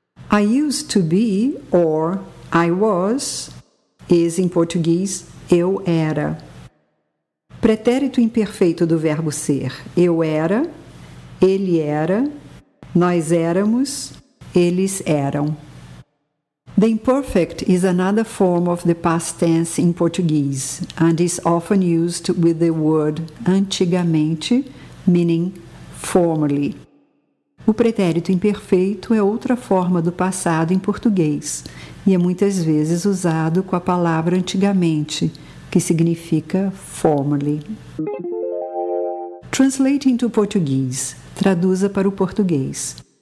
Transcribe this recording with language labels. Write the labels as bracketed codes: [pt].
[en] I used to be, or I was, is [pt] em português, eu era. Pretérito imperfeito do verbo ser. Eu era, ele era, nós éramos, eles eram. [en] The imperfect is another form of the past tense in Portuguese and is often used with the word antigamente, meaning formerly. [pt] O pretérito imperfeito é outra forma do passado em português e é muitas vezes usado com a palavra antigamente, que significa formerly. [en] Translate into Portuguese. [pt] Traduza para o português.